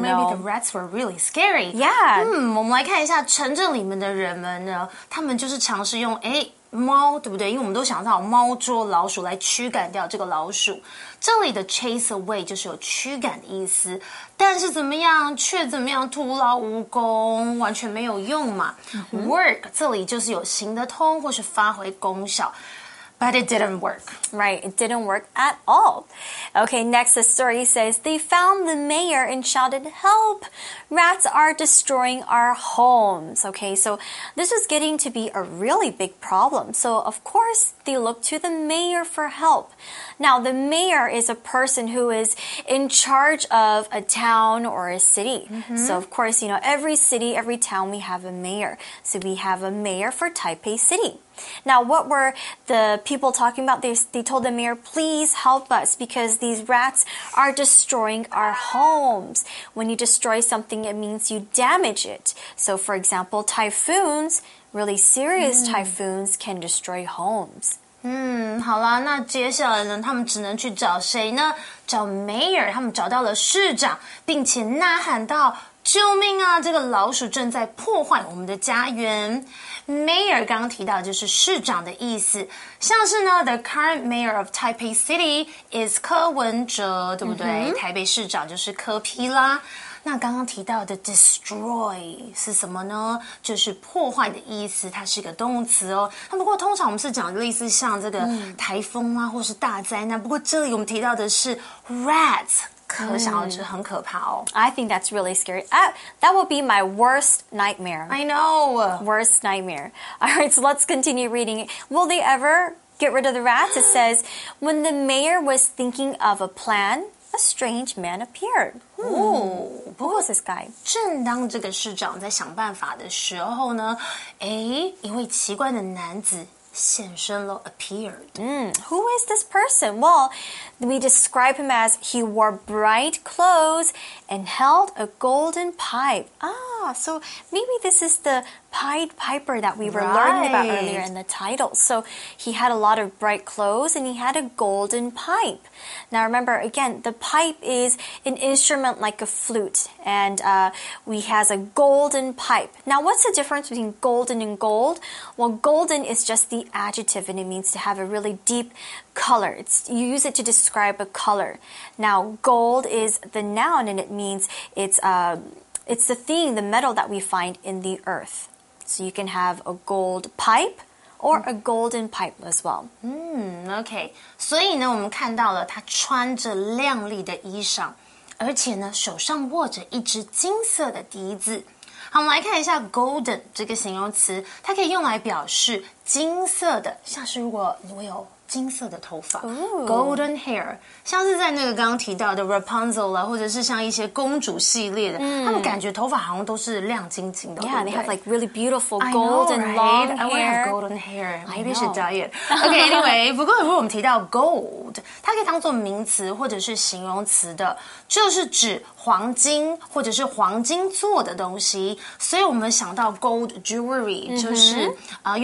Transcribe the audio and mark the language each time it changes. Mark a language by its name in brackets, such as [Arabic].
[English] know. Maybe the rats were really scary. Yeah. [Chinese] 我们来看一下城镇里面的人们呢，他们就是尝试用猫，对不对？因为我们都想到猫捉老鼠来驱赶掉这个老鼠。这里的 chase away 就是有驱赶的意思，但是怎么样却怎么样徒劳无功，完全没有用嘛。 Mm-hmm. Work 这里就是有行得通或是发挥功效。 [English] But it didn't work. Right, it didn't work at all. Okay, next the story says, they found the mayor and shouted, help! Rats are destroying our homes. Okay, so this was getting to be a really big problem. So, of course, they looked to the mayor for help. Now, the mayor is a person who is in charge of a town or a city. Mm-hmm. So, of course, you know, every city, every town, we have a mayor. So we have a mayor for Taipei City. Now, what were the people talking about? They told the mayor, please help us because these rats are destroying our homes. When you destroy something, it means you damage it. So, for example, typhoons, really serious typhoons, can destroy homes. [Chinese] 好啦，那接下来呢，他们只能去找谁呢？找 mayor, 他们找到了市长，并且呐喊道，救命啊，这个老鼠正在破坏我们的家园。 Mayor 刚刚提到就是市长的意思，像是呢 The current mayor of Taipei City is 柯文哲，对不对、mm-hmm. 台北市长就是柯P啦。那刚刚提到的 destroy 是什么呢？就是破坏的意思，它是一个动词哦。那不过通常我们是讲类似像这个台风啊、或是大灾难，不过这里我们提到的是 rats，可想而知很可怕哦。 [English] I think that's really scary. That would be my worst nightmare. I know. Worst nightmare. All right, so let's continue reading. Will they ever get rid of the rats? It says, when the mayor was thinking of a plan, a strange man appeared. Who was this guy? [Chinese] 正当这个市长在想办法的时候呢，一位奇怪的男子现身了 appeared. [English] Who is this person? Well, we describe him as he wore bright clothes and held a golden pipe. Ah, so maybe this is the Pied Piper that we were learning about earlier in the title. So he had a lot of bright clothes and he had a golden pipe. Now remember, again, the pipe is an instrument like a flute and he has a golden pipe. Now what's the difference between golden and gold? Well, golden is just the adjective and it means to have a really deep color. You use it to describe a color. Now gold is the noun and it means it's the thing, the metal that we find in the earth. So you can have a gold pipe or a golden pipe as well. Okay. [Chinese] 所以呢，我们看到了他穿着亮丽的衣裳，而且呢，手上握着一只金色的笛子。好，我们来看一下 golden 这个形容词，它可以用来表示金色的，像是如果我有金色的头发 golden hair 像是在那个刚刚提到的 Rapunzel 啊，或者是像一些公主系列的他们感觉头发好像都是亮晶晶的 [English] Yeah, [Chinese] 对不对 [English] they have like really beautiful golden long hair [Chinese] I want to have golden hair Maybe it's a diet Okay, anyway 不过如果我们提到 gold 它可以当作名词或者是形容词的就是指黄金或者是黄金做的东西所以我们想到 gold jewelry 就是、mm-hmm.